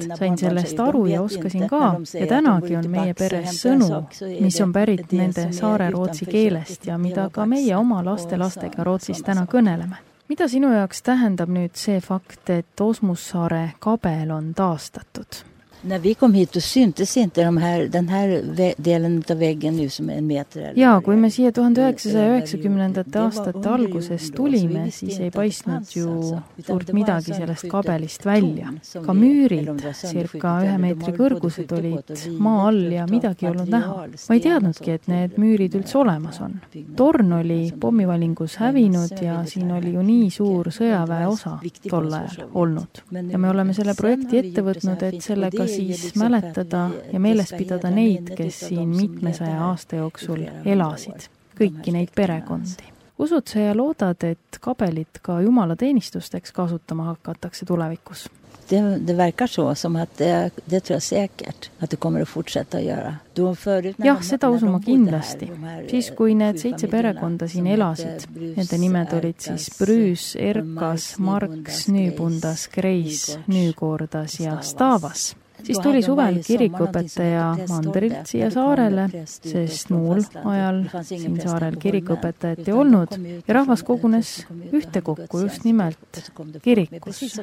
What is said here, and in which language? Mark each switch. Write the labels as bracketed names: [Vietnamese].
[Estonian] Sain sellest aru ja oskasin ka. Ja tänagi on meie peres sõnu, mis on pärit nende saare rootsi keelest ja mida ka meie oma laste lastega rootsis täna kõneleme. Mida sinu jaoks tähendab nüüd see fakt, et Osmussaare kabel on taastatud? [Swedish] När vi kom hit och syntes inte den här delen av väggen nu som är en meter eller. [Estonian] Ja, kui me siia 1990. aastate alguses tulime, siis ei paistnud ju suurt midagi sellest kabelist välja. Ka müürid, cirka 1 meetri kõrgused olid maa all ja midagi olnud näha. Ma ei teadnudki, et need müürid üldse olemas on. Torn oli pommivalingus hävinud ja siin oli ju nii suur sõjaväe osa tolle ajal olnud. Ja me oleme selle projekti ette võtnud, et sellega siis mäletada ja meeles pidada neid, kes siin mitmesaja aasta jooksul elasid, kõiki neid perekondi. Usud sa ja loodad, et kabelit ka jumala teenistusteks kasutama hakatakse tulevikus? [Swedish] Det verkar så som att det tror jag säkert att det kommer att fortsätta göra. [Estonian] Jah, seda usuma kindlasti. Siis kui need 7 perekonda siin elasid, nende nimed olid siis Brüüs, Erkas, Marks, Nüübundas, Greis, Nüükordas ja Stavas. Siis tuli suvel kirikuõpetaja mandrilt siia saarele, sest muul ajal siin saarel kirikuõpetajat ei olnud ja rahvas kogunes ühte kokku just nimelt kirikus.